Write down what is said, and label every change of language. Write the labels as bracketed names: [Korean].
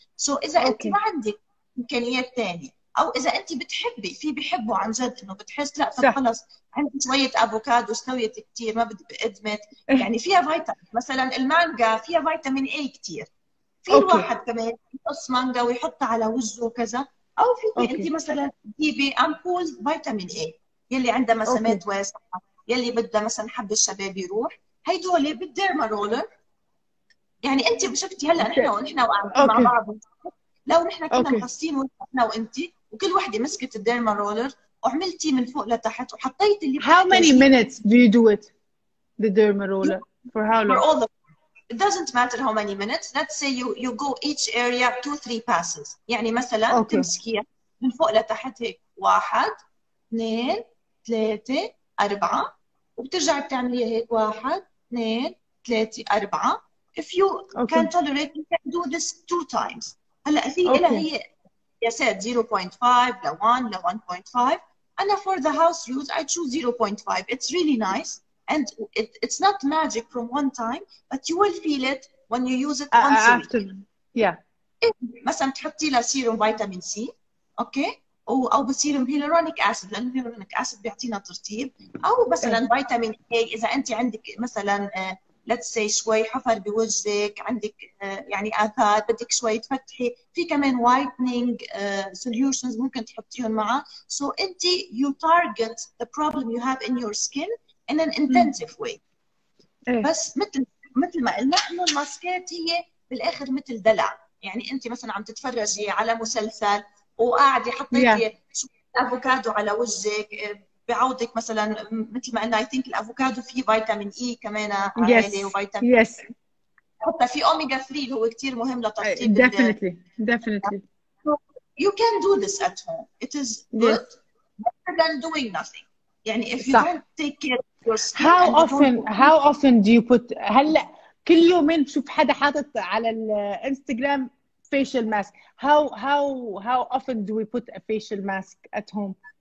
[Arabic] سو إذا أنت ما عندك إمكانيات تانية أو إذا أنت بتحبي في بيحبوا عن جد إنه بتحس لا طب خلص عندي شوية أفوكادو استويت كتير ما بدي بقدمت يعني فيها فيتامين مثلا المانجا فيها فيتامين A كتير في الواحد كمان يقص مانجا ويحطها على وجهه وكذا، او فيكي انت مثلا تجيبي امبول فيتامين اي يلي عندها مسامات واسعه يلي بدها مثلا حب الشباب يروح، هيدول بالديرما رولر يعني انت شفتي هلا نحن مع بعض لو نحن كنا مقصين وحدنا وانت وكل وحده مسكت الديرما رولر وعملتي من فوق لتحت وحطيتي اللي [English] how many minutes do you do it the derma roller for how long for all the It doesn't matter how many minutes. Let's say you go each area 2-3 passes. [Arabic] يعني مثلا [English] okay. [Arabic] تمسكيها من فوق لتحت هيك 1 2 3 4 وبترجع بتعمليها هيك 1 2 3 4 [English] If you okay. can tolerate you can do this 2 times. [Arabic] هلا في [English] okay. [Arabic] إلى هي يسات 0.5 ل1 ل1.5 أنا [English] for the house use I choose 0.5. It's really nice. And it's not magic from one time, but you will feel it when you use it once a week. Yeah. [Arabic] مثلا تحطي لها سيروم فيتامين سي، اوكي؟ او بسيروم هيلورونيك اسيد، لانه هيلورونيك اسيد بيعطينا ترطيب، او مثلا فيتامين اي اذا انت عندك مثلا [English] let's say [Arabic] شوي حفر بوجهك، عندك يعني آثار بدك شوي تفتحي، في كمان [English] whitening solutions [Arabic] ممكن تحطيهم معه. [English] So انت you target the problem you have in your skin in an intensive way. [Arabic] بس مثل ما قلنا احنا الماسكات هي بالآخر مثل دلع، يعني انت مثلا عم تتفرجي على مسلسل وقاعدة حطيتي أفوكادو على وجهك، بعوضك مثلا مثل ما قلنا [English] I think [Arabic] الأفوكادو فيه فيتامين إي كمان عالي وفيتامين [English] يس [Arabic] حتى في أوميجا 3 هو كتير مهم لترطيب [English] definitely you can do this at home it is good better than doing nothing. يعني if you don't take care of your skin how often do you put [Arabic] هلا كل يومين بشوف حدا حاطط على الانستغرام [English] facial mask. How often do we put a facial mask at home?